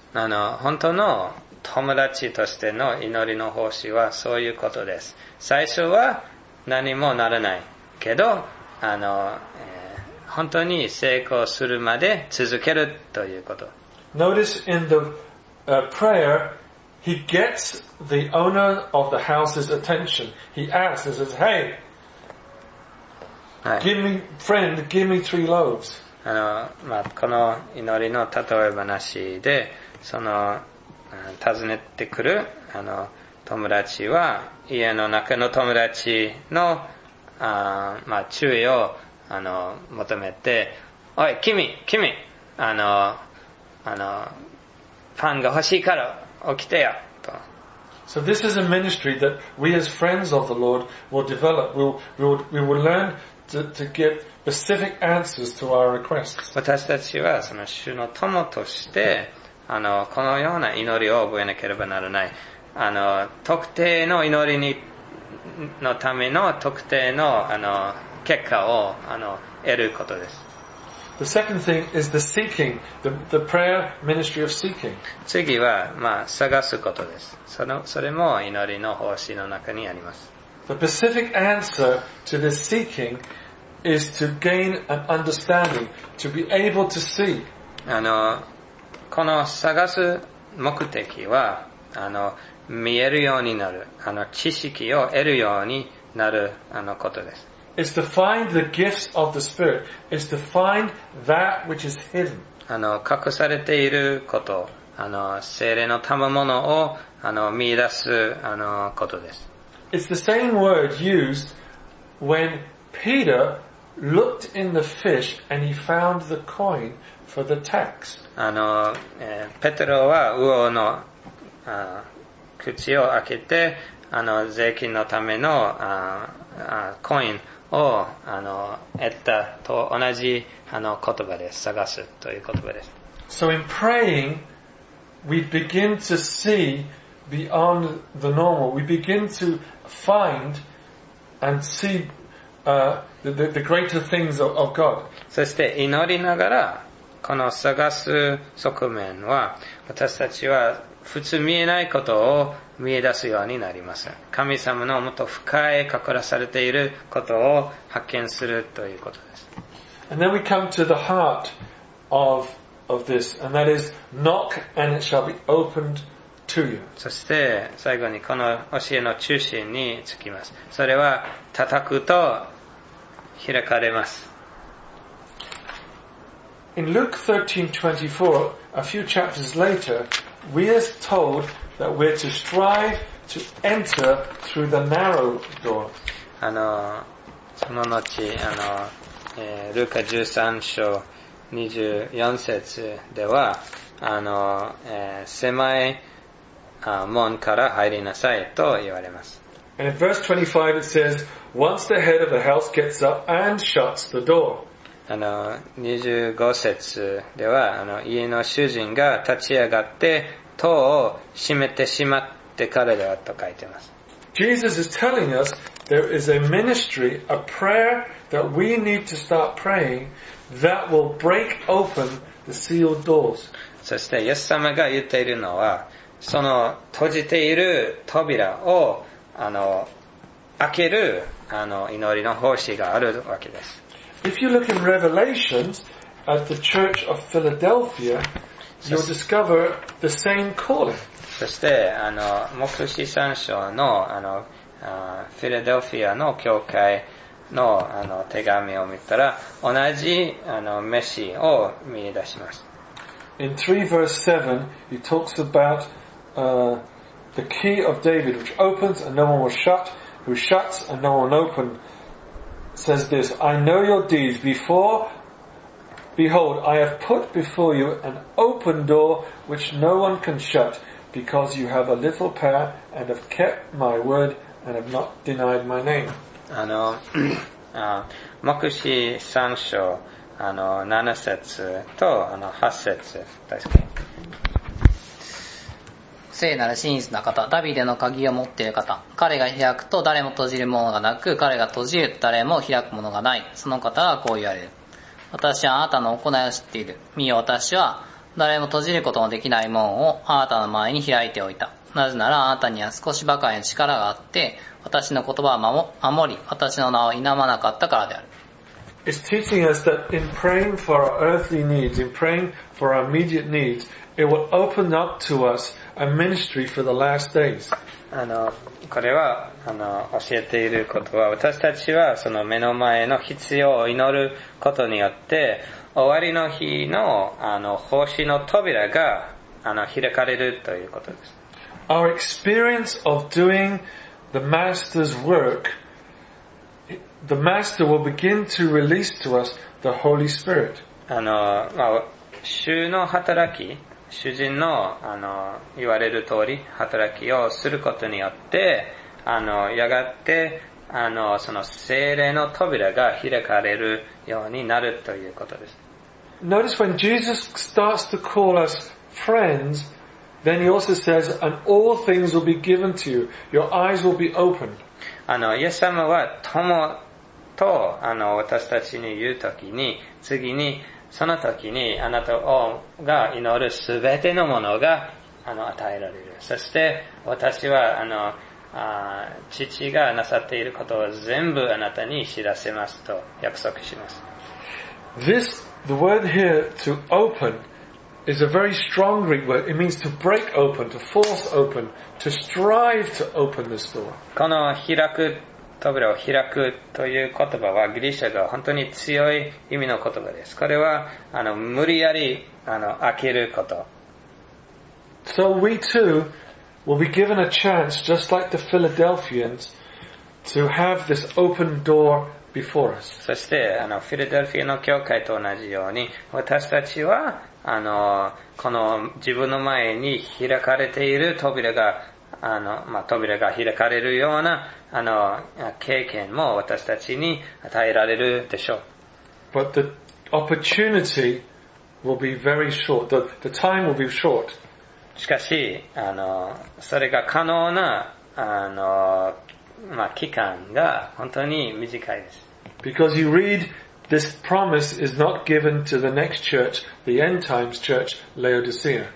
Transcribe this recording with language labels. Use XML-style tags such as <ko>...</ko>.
<ja>あの、本当の友達としての祈りの奉仕はそういうことです。最初は何もならないけど、あの、本当に成功するまで続けるということ。</ja> <en>Notice in the prayer,He gets the owner of the house's attention. He asks, he says, hey,、</en> <ja>はい、</ja> <en>give me, friend, give me three loaves.</en> <ja>あの、まあ、この祈りの例え話で、その、尋ねてくる、あの、友達は、家の中の友達の、あ、まあ、注意を、あの、求めて、おい、君、あの、パンが欲しいから、起きてよと。</ja> <en>So this is a ministry that we as friends of the Lord will develop. We will learn to give specific answers to our requests.</en> <ja>私たちはその主の友として、あの、このような祈りを覚えなければならない。あの、特定の祈りに、のための特定の、あの、結果を、あの、得ることです。</ja> <en>The second thing is the seeking, the prayer ministry of seeking.</en> <ja>次は、まあ、探すことです。それも祈りの奉仕の中にあります。</ja> <en>The specific answer to this seeking is to gain an understanding, to be able to see.</en> <ja>あの、この探す目的は、あの、見えるようになる、あの、知識を得るようになる、あのことです。</ja> <en>It's to find the gifts of the Spirit. It's to find that which is hidden.</en> <ja>あの、隠されていること、あの、聖霊の賜物を、あの、見出す、あの、ことです。</ja> <en>It's the same word used when Peter looked in the fish and he found the coin for the tax.</en> <ja>あの、ペテロは魚の、口を開けて、あの、税金のための、コイン、を、あの、得たと同じ、あの、言葉です。探すという言葉です。</ja> <en>So in praying, we begin to see beyond the normal. We begin to find and see, the greater things of God.</en> <ja>そして祈りながら、この探す側面は、私たちは普通見えないことを見え出すようになります。神様のもっと深い隠らされていることを発見するということです。</ja> <en>And then we come to the heart of this, and that is, knock and it shall be opened to you.</en> <ja>そして最後にこの教えの中心につきます。それは叩くと開かれます。</ja> <en>In Luke 13:24, a few chapters later, we are told that we're to strive to enter through the narrow door.</en> <ja>あの、その後、あの、ルカ13章24節では、あの、狭い門から入りなさいと言われます。</ja> <en>And in verse 25 it says, once the head of the house gets up and shuts the door.</en> <ja>あの、25節では、あの、家の主人が立ち上がって、塔を閉めてしまってからではと書いてます。</ja> <en>Jesus is telling us there is a ministry, a prayer that we need to start praying that will break open the sealed doors.</en> <ja>そして、イエス様が言っているのは、その閉じている扉を、あの、開ける、あの、祈りの奉仕があるわけです。</ja> <en>If you look in Revelation at the Church of Philadelphia, you'll discover the same calling.</en> <ja>そして、あの、黙示三章の、あの、フィラデルフィアの教会の、あの、手紙を見たら、同じ、あの、メッシを見出します。</ja> <en>In 3 verse 7, he talks about, the key of David, which opens and no one will shut, who shuts and no one open, says this, I know your deeds. Before, behold, I have put before you an open door which no one can shut, because you have a little prayer and have kept my word and have not denied my name.</en> <ja>あの、黙示3章あの7節とあの8節ですね。聖なる真実な方、ダビデの鍵を持っている方、彼が開くと誰も閉じるものがなく、彼が閉じると誰も開くものがない。その方はこう言われる。私はあなたの行いを知っている。見よ、私は誰も閉じることのできない門をあなたの前に開いておいた。なぜならあなたには少しばかりの力があって、私の言葉を守り、私の名を否まなかったからである。</ja> <en>It's teaching us that in praying for our earthly needs, in praying for our immediate needs, it will open up to us a ministry for the last days.</en> <ja>あの、これは、あの、教えていることは、私たちはその目の前の必要を祈ることによって、終わりの日の、あの、奉仕の扉が、あの、開かれるということです。</ja> <en>Our experience of doing the Master's work, the Master will begin to release to us the Holy Spirit.</en> <ja>あの、まあ、主の働き、主人の、あの、言われる通り、働きをすることによって、あの、やがって、あの、その聖霊の扉が開かれるようになるということです。</ja> <en>Notice when Jesus starts to call us friends, then he also says, and all things will be given to you. Your eyes will be opened.</en> <ja>あの、イエス様は友と、あの、私たちに言うときに、次に、その時にあなたが祈るすべてのものがあの与えられる。そして私はあの父がなさっていることを全部あなたに知らせますと約束します。</ja> <en>This, the word here to open is a very strong Greek word. It means to break open, to force open, to strive to open this door.</en> <ja>この開く扉を開くという言葉はギリシャ語本当に強い意味の言葉です。これはあの無理やりあの開けること。</ja> <en>So we too will be given a chance, just like the Philadelphians, to have this open door before us.</en> <ja>そしてあのフィラデルフィアの教会と同じように私たちはあのこの自分の前に開かれている扉が。あの、まあ、扉が開かれるような、あの、経験も私たちに与えられるでしょう。</ja> <en>But the opportunity will be very short. The time will be short.</en> <ja>しかし、あの、それが可能な、あの、まあ、期間が本当に短いです。</ja> <en>Because you read, this promise is not given to the next church, the end times church, Laodicea.</en>